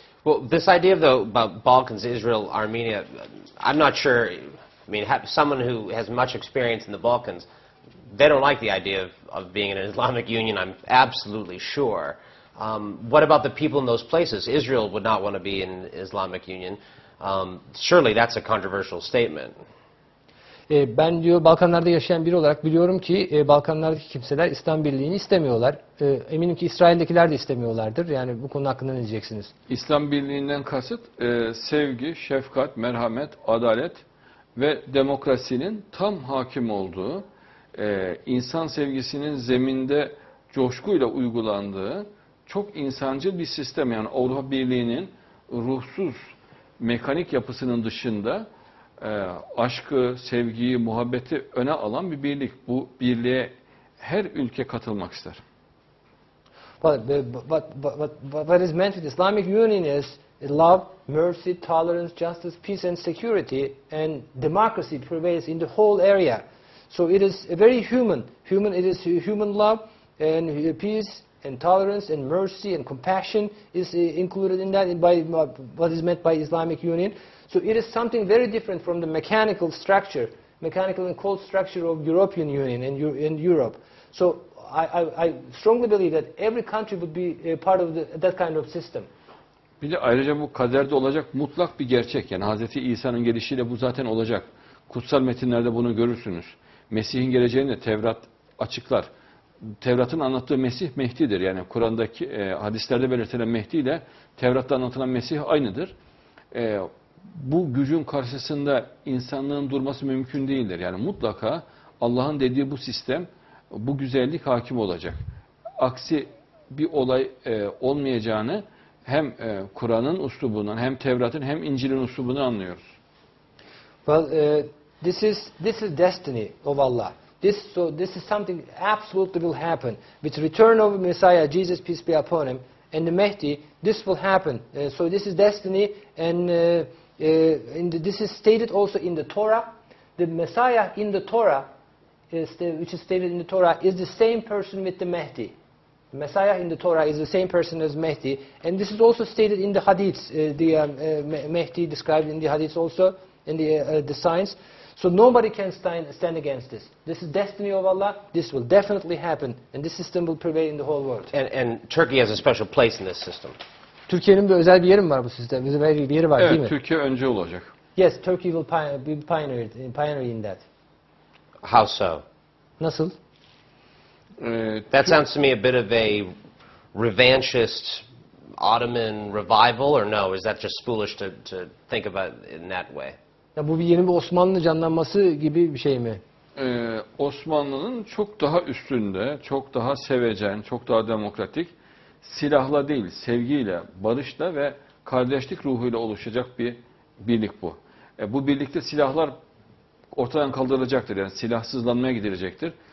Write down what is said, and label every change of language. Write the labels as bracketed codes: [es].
[en] Well, this idea, though, about Balkans, Israel, Armenia, I'm not sure. I mean, someone who has much experience in the Balkans, they don't like the idea of being in an Islamic Union, I'm absolutely sure. What about the people in those places? Israel would not want to be in Islamic Union. Surely that's a controversial statement. [tr] Ben diyor Balkanlarda yaşayan biri olarak biliyorum ki Balkanlardaki kimseler İslam Birliği'ni istemiyorlar. Eminim ki İsrail'dekiler de istemiyorlardır. Yani bu konu hakkında ne diyeceksiniz? İslam Birliği'nden kasıt sevgi, şefkat, merhamet, adalet ve demokrasinin tam hakim olduğu, insan sevgisinin zeminde coşkuyla uygulandığı çok insancıl bir sistem. Yani Avrupa Birliği'nin ruhsuz mekanik yapısının dışında aşkı, sevgiyi, muhabbeti öne alan bir birlik. Bu birliğe her ülke katılmak ister. [en] What is meant with Islamic Union is love, mercy, tolerance, justice, peace and security, and democracy prevails in the whole area. So it is very human. Human, it is human love and peace and tolerance and mercy and compassion is included in that, by what is meant by Islamic Union. So it is something very different from the mechanical structure, mechanical and cold structure of European Union and in Europe. So I strongly believe that every country would be a part of that kind of system. Bir de ayrıca bu kaderde olacak mutlak bir gerçek. Yani Hazreti İsa'nın gelişiyle bu zaten olacak. Kutsal metinlerde bunu görürsünüz. Mesih'in geleceğini de Tevrat açıklar. Tevrat'ın anlattığı Mesih Mehdi'dir. Yani Kur'an'daki hadislerde belirtilen Mehdi ile Tevrat'ta anlatılan Mesih aynıdır. Bu gücün karşısında insanlığın durması mümkün değildir. Yani mutlaka Allah'ın dediği bu sistem, bu güzellik hakim olacak. Aksi bir olay olmayacağını hem Kur'an'ın uslubundan, hem Tevrat'ın, hem İncil'in uslubundan anlıyoruz. Well, this is destiny of Allah. This is something absolutely will happen with return of Messiah Jesus, peace be upon him, and the Mehdi. This will happen. So this is destiny, and this is stated also in the Torah. The Messiah in the Torah, which is stated in the Torah, is the same person with the Mehdi. The Messiah in the Torah is the same person as Mehdi, and this is also stated in the Hadiths. Mehdi described in the Hadiths also in the signs. So nobody can stand against this. This is destiny of Allah. This will definitely happen, and this system will prevail in the whole world. And Turkey has a special place in this system. [tr] Türkiye'nin de özel bir yeri mi var bu sistem? Bizim her bir yeri var, evet, Evet, Türkiye önce olacak. [en] Yes, Turkey will be pioneer in that. How so? [tr] Nasıl? [en] That sounds to me a bit of a revanchist Ottoman revival, or no? Is that just foolish to think about in that way? [tr] Ya bu bir yeni bir Osmanlı canlanması gibi bir şey mi? Osmanlı'nın çok daha üstünde, çok daha sevecen, çok daha demokratik, silahla değil, sevgiyle, barışla ve kardeşlik ruhuyla oluşacak bir birlik bu. Bu birlikte silahlar ortadan kaldırılacaktır, yani silahsızlanmaya gidilecektir.